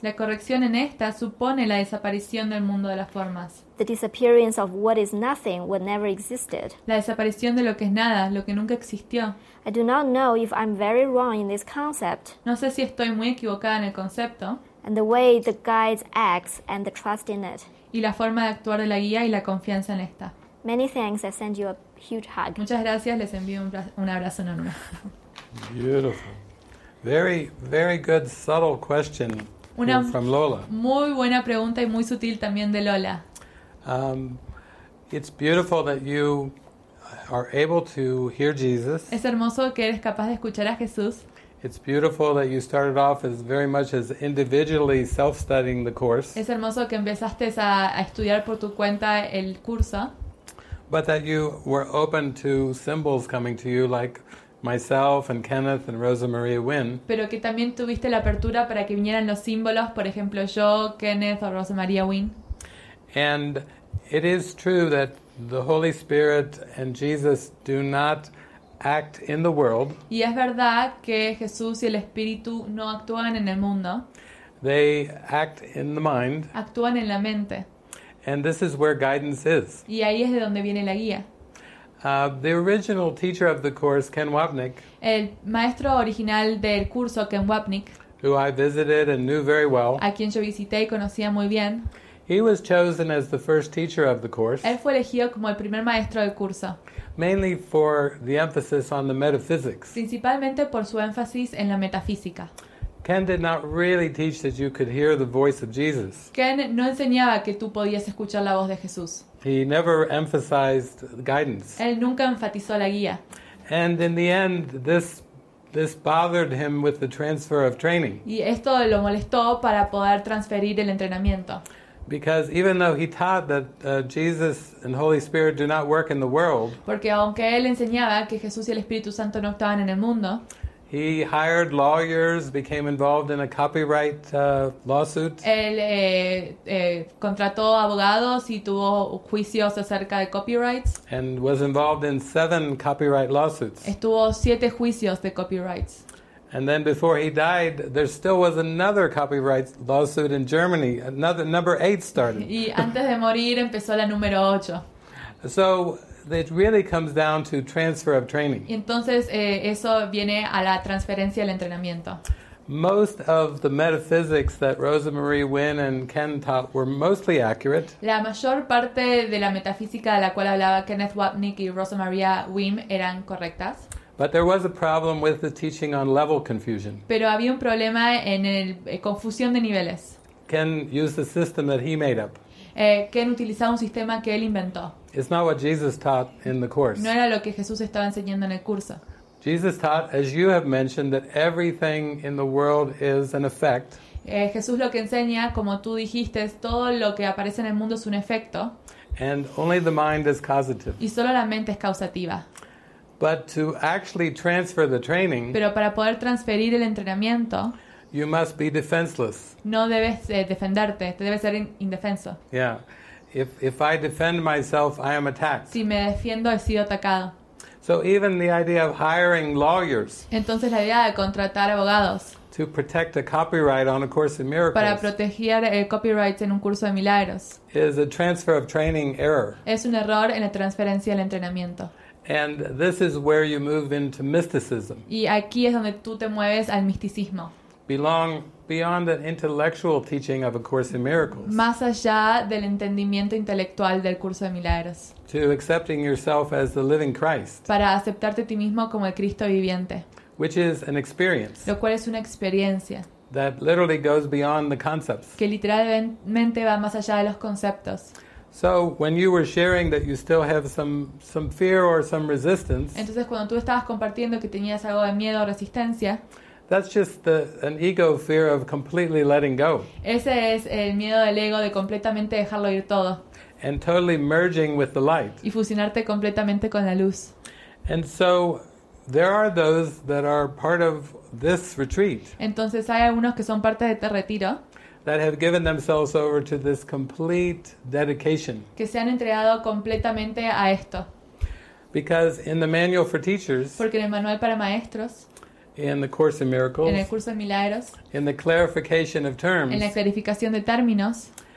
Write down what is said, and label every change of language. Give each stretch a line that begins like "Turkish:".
Spanish: La corrección en esta supone la desaparición del mundo de las formas.
English: The disappearance of what is nothing, what never existed.
Spanish: La desaparición de lo que es nada, lo que nunca existió.
English: I do not know if I'm very wrong in this concept.
Spanish: No sé si estoy muy equivocada en el concepto.
English: And the way the guide acts and the trust in it.
Spanish: Y la forma de actuar de la guía y la confianza en esta.
English: Many thanks, I send you a huge hug.
Spanish: Muchas gracias, les envío un abrazo enorme.
English: Beautiful. Very, very good subtle question from Lola.
Spanish: Muy buena pregunta y muy sutil también de Lola.
English: It's beautiful that you are able to hear Jesus.
Spanish: Es hermoso que eres capaz de escuchar a Jesús.
English: It's beautiful that you started off as very much as individually self-studying the course.
Spanish: Es hermoso que empezaste a estudiar por tu cuenta el curso.
English: But that you were open to symbols coming to you like myself and Kenneth and Rosa Maria Wynn.
Spanish: Pero que también tuviste la apertura para que vinieran los símbolos, por ejemplo, yo, Kenneth o Rosa Maria Wynn.
English: And it is true that the Holy Spirit and Jesus do not act in the world.
Spanish: Y es verdad que Jesús y el Espíritu no actúan en el mundo.
English: They act in the mind.
Spanish: Actúan en la mente.
English: And this is where guidance is.
Spanish: Y ahí es de donde viene la guía.
English: The original teacher of the course, Ken Wapnick.
Spanish: El maestro original del curso, Ken Wapnick.
English: Who I visited and knew very well.
Spanish: A quien yo visité y conocía muy bien.
English: He was chosen as the first teacher of the course.
Spanish: Él fue elegido como el primer maestro del curso.
English: Mainly for the emphasis on the metaphysics.
Spanish: Principalmente por su énfasis en la metafísica.
English: Ken did not really teach that you could hear the voice of Jesus.
Spanish: Ken no enseñaba que tú podías escuchar la voz de Jesús.
English: He never emphasized guidance.
Spanish: Él nunca enfatizó la guía.
English: And in the end, this bothered him with the transfer of training.
Spanish: Y esto lo molestó para poder transferir el entrenamiento.
English: Because even though he taught that Jesus and Holy Spirit do not work in the world,
Spanish: porque aunque él enseñaba que Jesús y el Espíritu Santo no estaban en el mundo,
English: he hired lawyers, became involved in a copyright lawsuit.
Spanish: Él contrató abogados y tuvo juicios acerca de copyrights.
English: And was involved in 7 copyright lawsuits.
Spanish: Estuvo 7 juicios de copyrights.
English: And then before he died, there still was another copyright lawsuit in Germany. Another number 8 started.
Spanish: Y antes de morir empezó la número 8.
English: So it really comes down to transfer of training.
Spanish: Entonces eso viene a la transferencia del entrenamiento.
English: Most of the metaphysics that Rosemarie Winn and Ken taught were mostly accurate.
Spanish: La mayor parte de la metafísica de la cual hablaba Kenneth Wapnick y Rosemarie Winn eran correctas.
English: But there was a problem with the teaching on level confusion.
Spanish: Pero había un problema en el confusión de niveles.
English: Ken used the system that he made up.
Spanish: Ken utilizaba un sistema que él inventó.
English: It's not what Jesus taught in the course.
Spanish: No era lo que Jesús estaba enseñando en el curso.
English: Jesus taught, as you have mentioned, that everything in the world is an effect.
Spanish: Jesús lo que enseña, como tú dijiste, es todo lo que aparece en el mundo es un efecto.
English: And only the mind is causative.
Spanish: Y solo la mente es causativa.
English: But to actually transfer the training,
Spanish: pero para poder transferir el entrenamiento,
English: you must be defenseless.
Spanish: No debes defenderte, te debes ser indefenso.
English: Yeah. If I defend myself, I am attacked.
Spanish: Si me defiendo, he sido atacado.
English: So even the idea of hiring lawyers,
Spanish: entonces la idea de contratar abogados,
English: to protect a copyright on a course in miracles,
Spanish: para proteger el copyright en un curso de milagros,
English: is a transfer of training error.
Spanish: Es un error en la transferencia del entrenamiento.
English: And this is where you move into mysticism.
Spanish: Y aquí es donde tú te mueves al misticismo.
English: Belong beyond an intellectual teaching of A Course in Miracles.
Spanish: Más allá del entendimiento intelectual del curso de milagros.
English: To accepting yourself as the living Christ.
Spanish: Para aceptarte a ti mismo como el Cristo viviente.
English: Which is an experience.
Spanish: Lo cual es una experiencia.
English: That literally goes beyond the concepts.
Spanish: Que literalmente va más allá de los conceptos.
English: So when you were sharing that you still have some fear or some resistance.
Spanish: Entonces cuando tú estabas compartiendo que tenías algo de miedo o resistencia.
English: That's just an ego fear of completely letting go.
Spanish: Ese es el miedo del ego de completamente dejarlo ir todo.
English: And totally merging with the light.
Spanish: Y fusionarte completamente con la luz.
English: And so there are those that are part of this retreat.
Spanish: Entonces hay algunos que son parte de este retiro.
English: That have given themselves over to this complete dedication.
Spanish: Que se han entregado completamente a esto.
English: Because in the manual for teachers.
Spanish: Porque en el manual para maestros.
English: In the Course in Miracles.
Spanish: En el curso de milagros.
English: In the clarification of terms.
Spanish: En la clarificación de términos.